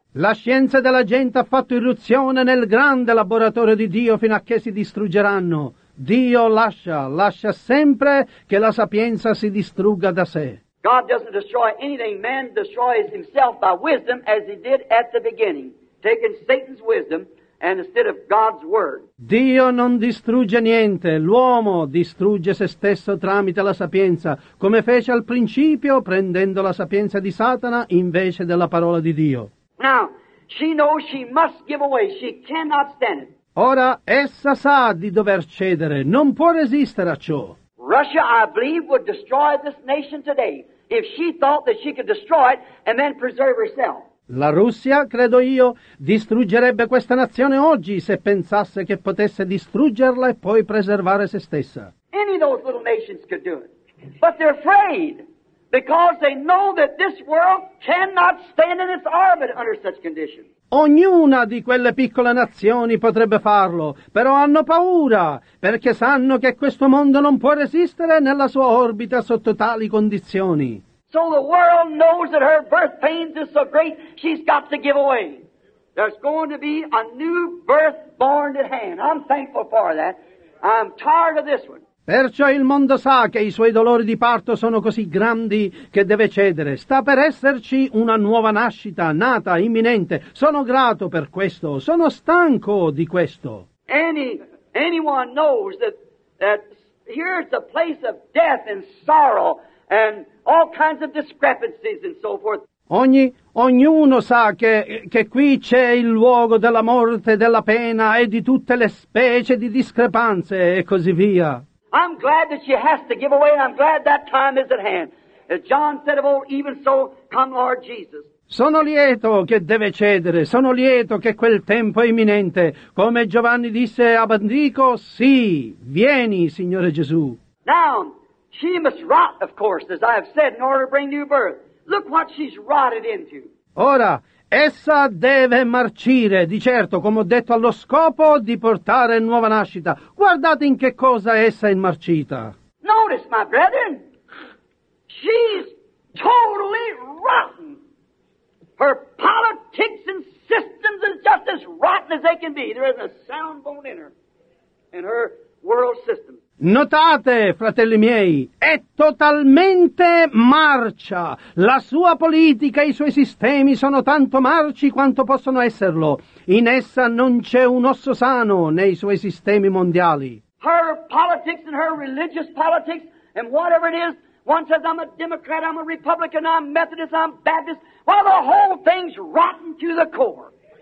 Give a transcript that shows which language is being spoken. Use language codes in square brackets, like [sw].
[it] La scienza della gente ha fatto irruzione nel grande laboratorio di Dio fino a che si distruggeranno. Dio lascia sempre che la sapienza si distrugga da sé. [en] God doesn't destroy anything. Man destroys himself by wisdom as he did at the beginning, taking Satan's wisdom and instead of God's word. [it] Dio non distrugge niente, l'uomo distrugge se stesso tramite la sapienza, come fece al principio prendendo la sapienza di Satana invece della parola di Dio. [en] Now, She knows she must give away. She cannot stand it. [it] Ora essa sa di dover cedere. Non può resistere a ciò. [en] Russia, I believe, would destroy this nation today if she thought that she could destroy it and then preserve herself. [it] La Russia, credo io, distruggerebbe questa nazione oggi se pensasse che potesse distruggerla e poi preservare se stessa. [en] Any of those little nations could do it. But they're afraid because they know that this world cannot stand in its orbit under such conditions. [it] Ognuna di quelle piccole nazioni potrebbe farlo, però hanno paura perché sanno che questo mondo non può resistere nella sua orbita sotto tali condizioni. [en] So the world knows that her birth pains is so great, she's got to give away. There's going to be a new birth born at hand. I'm thankful for that. I'm tired of this one. [it] Perciò il mondo sa che i suoi dolori di parto sono così grandi che deve cedere. Sta per esserci una nuova nascita, nata, imminente. Sono grato per questo. Sono stanco di questo. [en] Anyone knows that here's the place of death and sorrow and all kinds of discrepancies and so forth. [it] Ognuno sa che qui c'è il luogo della morte, della pena e di tutte le specie di discrepanze e così via. [en] I'm glad that she has to give away, and I'm glad that time is at hand. As John said of old, even so, come Lord Jesus. [it] Sono lieto che deve cedere, sono lieto che quel tempo è imminente. Come Giovanni disse a Bandico, sì, vieni, Signore Gesù. [en] Now, she must rot, of course, as I have said, in order to bring new birth. Look what she's rotted into. [it] Ora, essa deve marcire, di certo, come ho detto, allo scopo di portare nuova nascita. Guardate in che cosa essa è marcita. [en] Notice, my brethren, she's totally rotten. Her politics and systems are just as rotten as they can be. There isn't a sound bone in her, in her world system. [it] Notate, fratelli miei, è totalmente marcia. La sua politica e i suoi sistemi sono tanto marci quanto possono esserlo. In essa non c'è un osso sano nei suoi sistemi mondiali. [en] Her politics and her religious politics and whatever it is, one says I'm a Democrat, I'm a Republican, I'm Methodist, I'm Baptist. Well, the whole thing's rotten to the core.